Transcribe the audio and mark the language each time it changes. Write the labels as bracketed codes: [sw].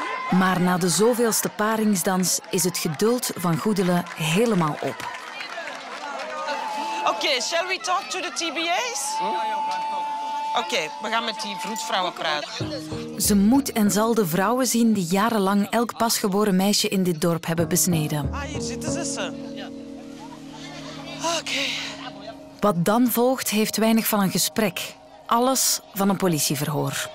[nl] Maar na de zoveelste paringsdans is het geduld van Goedele helemaal op. [en] Oké, okay, shall we talk to the TBA's? [nl] Oké, okay, we gaan met die vroedvrouwen praten. Ze moet en zal de vrouwen zien die jarenlang elk pasgeboren meisje in dit dorp hebben besneden. Ah, hier zitten ze. Oké. Okay. Wat dan volgt, heeft weinig van een gesprek. Alles van een politieverhoor.